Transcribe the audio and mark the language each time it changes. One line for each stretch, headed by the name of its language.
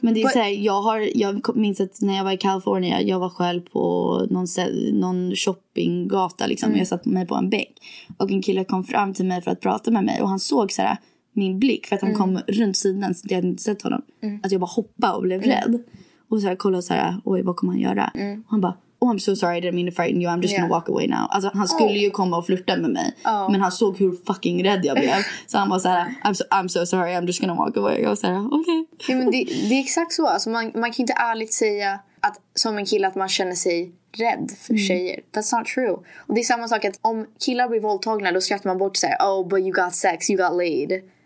Swedish: men det är såhär, jag minns att när jag var i California, jag var själv på någon shoppinggata liksom, och jag satt mig på en bänk och en kille kom fram till mig för att prata med mig, och han såg såhär min blick, för att han kom runt sidan så jag hade inte sett honom, att jag bara hoppade och blev rädd och såhär kollade såhär, oj vad kommer han göra? Och han bara,
English: oh, I'm so sorry, I didn't mean to frighten you. I'm just gonna walk away now.
Swedish: Alltså, han skulle ju komma och flirta med mig. Oh. Men han såg hur fucking rädd jag blev. Så han var såhär,
English: I'm so sorry, I'm just gonna walk away.
Swedish: Jag var såhär,
English: okay.
Swedish: Ja, men det är exakt så. Alltså, man kan inte ärligt säga att som en kille att man känner sig rädd för tjejer.
English: That's not true.
Swedish: Och det är samma sak att om killar blir våldtagna, då skrattar man bort såhär,
English: oh, but you got sex, you got laid.